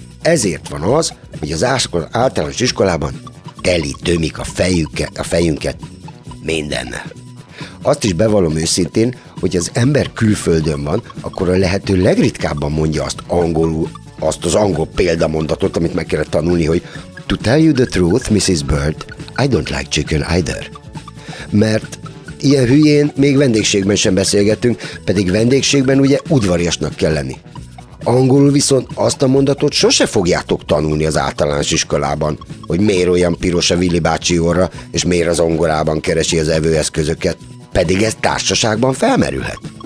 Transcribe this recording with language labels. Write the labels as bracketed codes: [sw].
[hu] Ezért van az, hogy az általános iskolában teli tömik a fejünket mindennel. Azt is bevallom őszintén, hogy az ember külföldön van, akkor a lehető legritkábban mondja azt az angol példamondatot, amit meg kellett tanulni, hogy [en] "To tell you the truth, Mrs. Bird, I don't like chicken either." [hu] Mert ilyen hülyén még vendégségben sem beszélgetünk, pedig vendégségben ugye udvariasnak kell lenni. Angolul viszont azt a mondatot sose fogjátok tanulni az általános iskolában, hogy miért olyan piros a Willy bácsi orra, és miért az angolában keresi az evőeszközöket, pedig ez társaságban felmerülhet.